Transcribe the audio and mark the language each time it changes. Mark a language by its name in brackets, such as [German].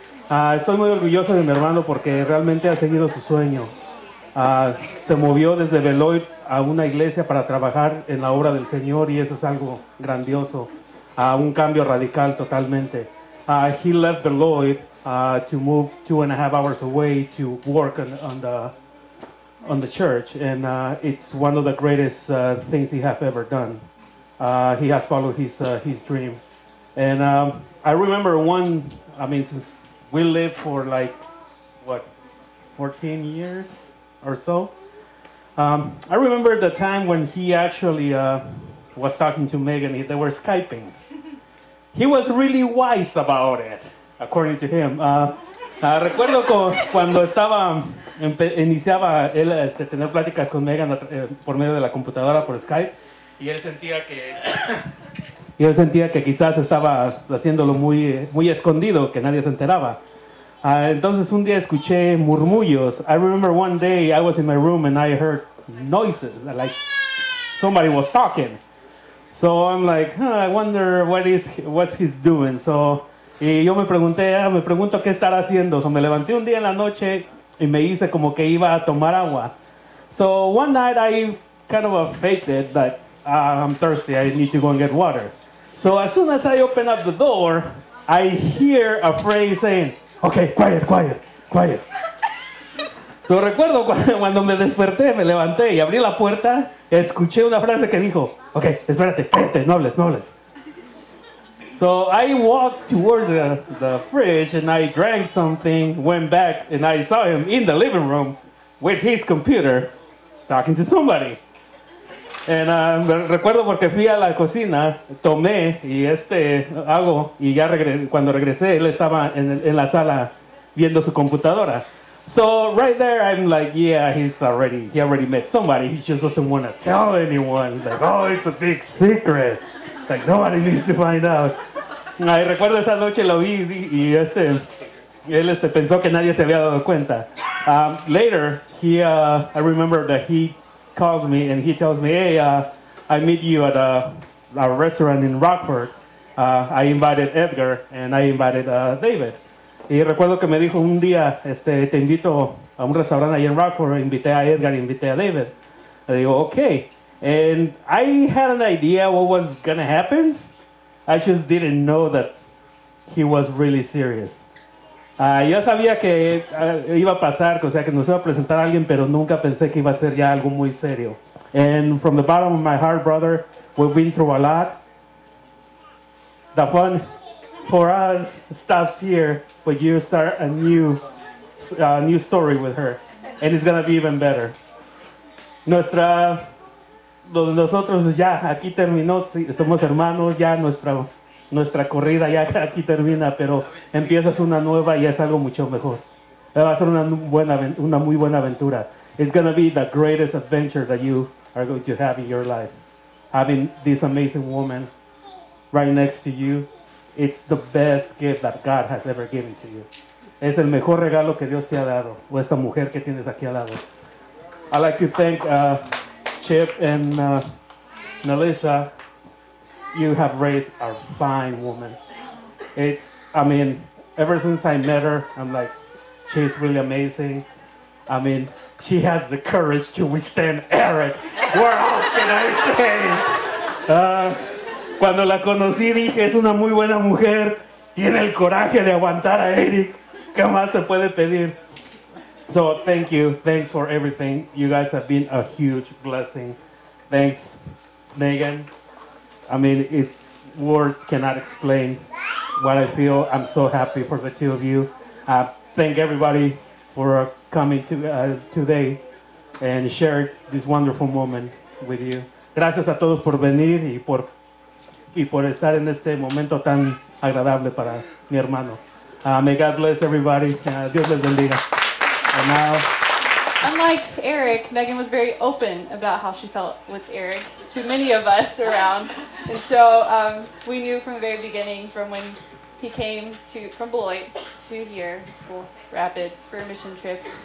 [Spanish] Estoy muy orgulloso de mi hermano porque realmente ha seguido su sueño. Se movió desde Beloit a una iglesia para trabajar en la obra del Señor, y eso es algo grandioso, un cambio radical totalmente. [English] He left Beloit to move 2.5 hours away to work on the church, and it's one of the greatest things he has ever done. He has followed his dream, and I remember one. I mean, since we lived for like what 14 years or so, I remember the time when he actually was talking to Megan. They were Skyping. He was really wise about it, according to him. [Spanish] Recuerdo cuando estaba iniciaba él tener pláticas con Megan por medio de la computadora por Skype, y él sentía que quizás estaba haciéndolo muy escondido, que nadie se enteraba. Entonces un día escuché murmullos. [English] I remember one day I was in my room and I heard noises, like somebody was talking. So I'm like, I wonder what he's doing. [Spanish] So, y yo me pregunto qué estará haciendo. So me levanté un día en la noche y me hice como que iba a tomar agua. [English] So one night I kind of faked it, but I'm thirsty, I need to go and get water. So as soon as I open up the door, I hear a phrase saying, okay, quiet. [Spanish] So recuerdo cuando me desperté, me levanté y abrí la puerta, escuché una frase que dijo, okay, espérate, cállate, no hables. [English] So I walked towards the fridge and I drank something, went back, and I saw him in the living room with his computer talking to somebody. [Spanish] And recuerdo porque fui a la cocina, tomé y hago, y ya cuando regresé, él estaba en la sala viendo su computadora. [English] So right there, I'm like, yeah, he already met somebody. He just doesn't want to tell anyone. He's like, oh, it's a big secret. Like, nobody needs to find out. [Spanish] I recuerdo esa noche lo vi y él pensó que nadie se había dado cuenta. [English] Later, I remember that he calls me and he tells me, hey, I meet you at a restaurant in Rockford. I invited Edgar and I invited David. [Spanish] Y recuerdo que me dijo un día, te invito a un restaurante ahí en Rockford, invité a Edgar, invité a David. Le digo, okay. [English] And I had an idea what was gonna happen. I just didn't know that he was really serious. [Spanish] Yo sabía que iba a pasar, o sea, que nos iba a presentar a alguien, pero nunca pensé que iba a ser ya algo muy serio. [English] And from the bottom of my heart, brother, we've been through a lot. The fun for us stops here, but you start a new story with her. And it's gonna be even better. [Spanish] Nuestra, nosotros ya aquí terminó, somos hermanos, ya nuestra corrida ya aquí termina, pero empiezas una nueva y es algo mucho mejor. Va a ser una muy buena aventura. [English] It's gonna be the greatest adventure that you are going to have in your life. Having this amazing woman right next to you, it's the best gift that God has ever given to you. [Spanish] Es el mejor regalo que Dios te ha dado, o esta mujer que tienes aquí al lado. [English] I'd like to thank Chip and Melissa. You have raised a fine woman. Ever since I met her, I'm like, she's really amazing. I mean, she has the courage to withstand Eric. Where else can I say? [Spanish] Cuando la conocí, dije, es una muy buena mujer. Tiene el coraje de aguantar a Eric. ¿Qué más se puede pedir? [English] So, thank you. Thanks for everything. You guys have been a huge blessing. Thanks, Megan. I mean, it's words cannot explain what I feel. I'm so happy for the two of you. Thank everybody for coming to today and share this wonderful moment with you. [Spanish] Gracias a todos por venir y por estar en este momento tan agradable para mi hermano. [English] May God bless everybody. [Spanish] Dios les bendiga. [English] And now, unlike Eric, Megan was very open about how she felt with Eric to many of us around. And so we knew from the very beginning, from when he came from Beloit to here, Cool Rapids, for a mission trip.